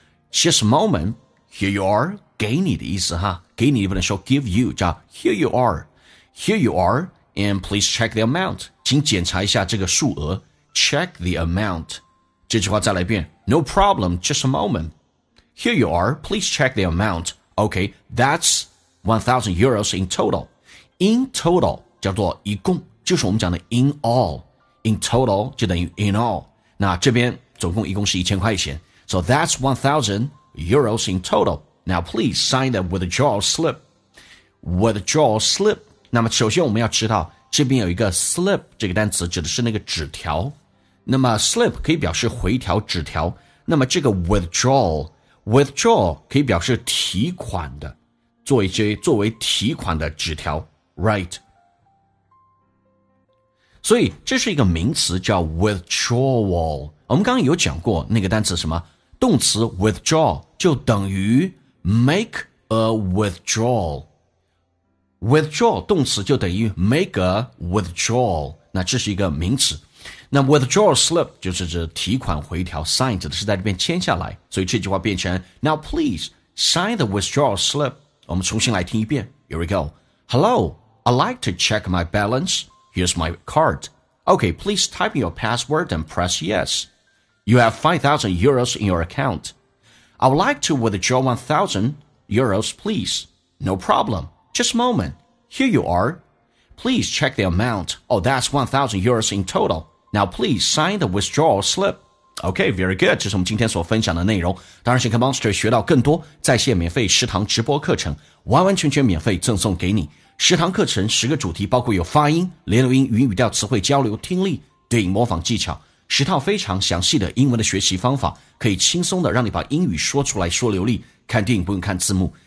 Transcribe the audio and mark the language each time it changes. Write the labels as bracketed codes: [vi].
[en] Just a moment, here you are, [zh] 给你的意思哈，给你不能说 [en] give you, 叫 here you are, here you are, and please check the amount, [zh] 请检查一下这个数额 [en] check the amount, 这句话再来一遍 no problem, just a momentHere you are, please check the amount. Okay, that's 1,000 euros in total. [zh] In total, 叫做一共，就是我们讲的 in all. In total, 就等于 in all. 那这边总共一共是1000块钱。 [en] So that's 1,000 euros in total. Now please sign the withdrawal slip. Withdrawal slip. [zh] 那么首先我们要知道，这边有一个 slip 这个单词指的是那个纸条。那么 slip 可以表示回条纸条。那么这个 withdrawalWithdraw 可以表示提款的，作为提款的纸条 ，right？所以这是一个名词叫 withdrawal。我们刚刚有讲过那个单词什么动词 withdraw 就等于 make a withdrawal， withdraw 动词就等于 make a withdrawal， 那这是一个名词。那 withdrawal slip 就是指提款回条 sign 指的是在这边签下来，所以这句话变成 [en] Now please sign the withdrawal slip。 [zh] 我们重新来听一遍， [en] Here we go。 Hello, I'd like to check my balance. Here's my card. Okay, please type your password and press yes. You have 5,000 euros in your account. I would like to withdraw 1,000 euros, please. No problem, just a moment. Here you are. Please check the amount. Oh, that's 1,000 euros in totalNow please sign the withdrawal slip. Okay, very good. [zh] 这是我们今天所分享的内容。当然请跟 Monster 学到更多在线免费食堂直播课程，完完全全免费赠送给你。食堂课程十个主题，包括有发音、连读音、语音语调、词汇交流、听力、对应模仿技巧，十套非常详细的英文的学习方法，可以轻松的让你把英语说出来说流利，看电影不用看字幕。